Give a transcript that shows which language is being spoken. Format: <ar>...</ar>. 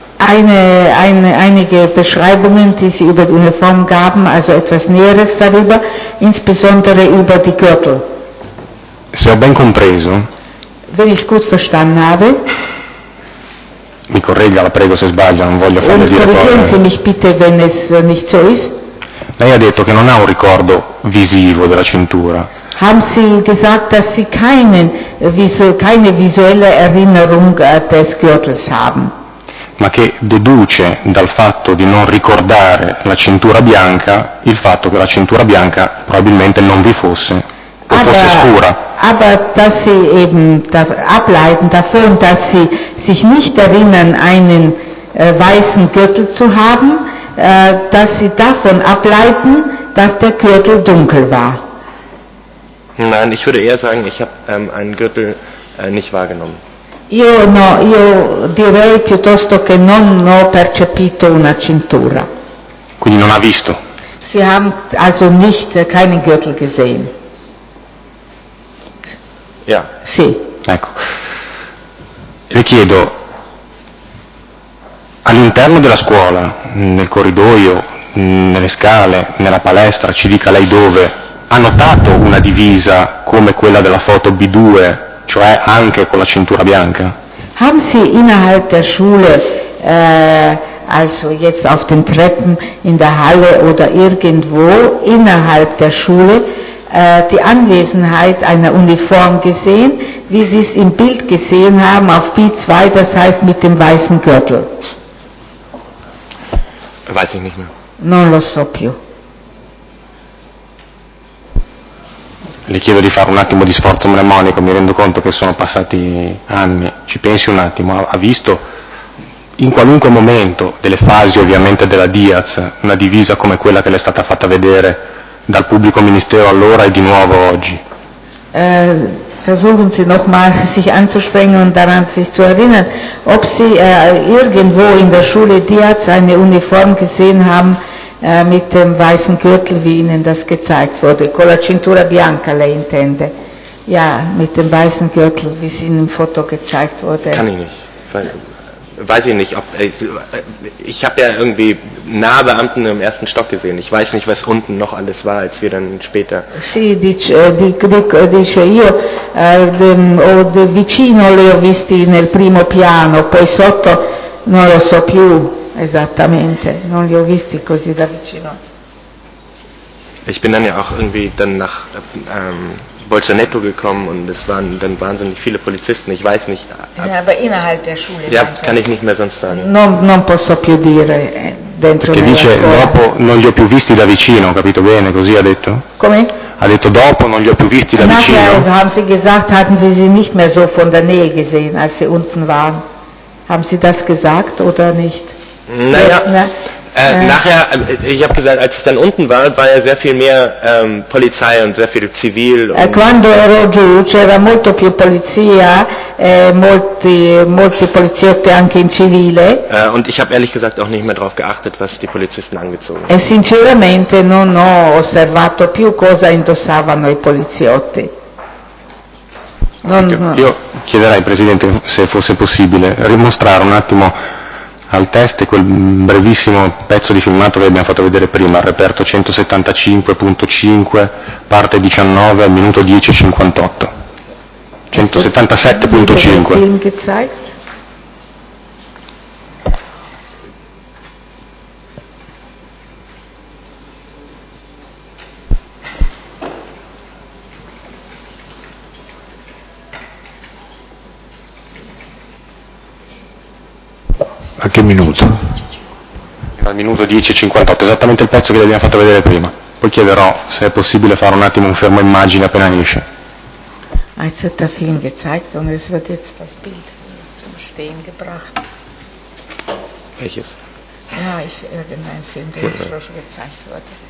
<de>Einige Beschreibungen, die sie über die Uniform gaben, also etwas Näheres darüber, insbesondere über die Gürtel.</de> <it>Se ho ben compreso.</it> <de>Wenn ich gut verstanden habe.</de> <it>Mi corregga, la prego se sbaglio, non voglio farle dire cose.</it> <de>Korrigieren Sie mich bitte, wenn es nicht so ist.</de> <it>Lei ha detto che non ha un ricordo visivo della cintura.</it> <de>Haben Sie gesagt, dass Sie keine visuelle Erinnerung des Gürtels haben?</de> <it>Ma che deduce dal fatto di non ricordare la cintura bianca il fatto che la cintura bianca probabilmente non vi fosse o fosse scura.</it> <de>Aber dass sie eben da, ableiten davon, dass sie sich nicht erinnern, einen weißen Gürtel zu haben, dass sie davon ableiten, dass der Gürtel dunkel war. Nein, ich würde eher sagen, ich habe einen Gürtel nicht wahrgenommen.</de> <it>Io no, io direi piuttosto che non ho percepito una cintura. Quindi non ha visto.</it> <de>Sie haben also nicht keinen Gürtel gesehen. Ja.</de> <it>Sì. Ecco. Le chiedo, all'interno della scuola, nel corridoio, nelle scale, nella palestra, ci dica lei dove, ha notato una divisa come quella della foto B2, cioè anche con la cintura bianca?</it> <de>Haben Sie innerhalb der Schule, also jetzt auf den Treppen, in der Halle oder irgendwo innerhalb der Schule, die Anwesenheit einer Uniform gesehen, wie Sie es im Bild gesehen haben, auf B2, das heißt mit dem weißen Gürtel? Weiß ich nicht mehr.</de> <it>Non lo so più. Le chiedo di fare un attimo di sforzo mnemonico, mi rendo conto che sono passati anni, ci pensi un attimo, ha visto in qualunque momento delle fasi ovviamente della Diaz una divisa come quella che le è stata fatta vedere dal pubblico ministero allora e di nuovo oggi?</it> <de>Versuchen Sie nochmal sich anzustrengen und daran sich zu erinnern, ob Sie irgendwo in der Schule Diaz eine Uniform gesehen haben, mit dem weißen Gürtel, wie Ihnen das gezeigt wurde.</de> <it>Con la cintura bianca, lei intende.</it> <de>Ja, mit dem weißen Gürtel, wie es Ihnen im Foto gezeigt wurde. Kann ich nicht. Weiß ich nicht, ob ich habe ja irgendwie nahe Beamten im ersten Stock gesehen. Ich weiß nicht, was unten noch alles war, als wir dann später.</de> <it>Sì, dice io, o vicino le ho visti nel primo piano, poi sotto non lo so più. Esattamente, non li ho visti così da vicino.</it> <de>Ich bin dann ja auch irgendwie dann nach Bolzanetto gekommen und es waren dann wahnsinnig viele Polizisten, ich weiß nicht. Ja, aber innerhalb der Schule. Ja, kann ich nicht mehr sonst sagen.</de> <it>Non posso più dire dentro. Che dice dopo non li ho più visti da vicino, capito bene, così ha detto? Come? Ha detto dopo non li ho più visti da vicino.</it> <de>Nachher haben sie gesagt, hatten sie sie nicht mehr so von der Nähe gesehen, als sie unten waren. Haben sie das gesagt oder nicht? Naja, nachher, ich habe gesagt, als ich dann unten war, war ja sehr viel mehr Polizei und sehr viel Zivil.</de> <it>Quando ero giù c'era molto più polizia, molti poliziotti anche in civile.</it> <de>Und ich habe ehrlich gesagt auch nicht mehr darauf geachtet, was die Polizisten angezogen haben.</de> <it>E sinceramente non ho osservato più cosa indossavano i poliziotti. Io chiederei, Presidente, se fosse possibile, rimostrare un attimo al test quel brevissimo pezzo di filmato che abbiamo fatto vedere prima, reperto 175.5, parte 19, minuto 10.58. 177.5. A che minuto? Al minuto 10.58, esattamente il pezzo che abbiamo fatto vedere prima. Poi chiederò se è possibile fare un attimo un fermo immagine appena esce.</it> <de>Als hat der Film gezeigt und es wird jetzt das Bild zum Stehen gebracht. Welches? Ja, irgendein Film, der jetzt schon gezeigt wurde.</de>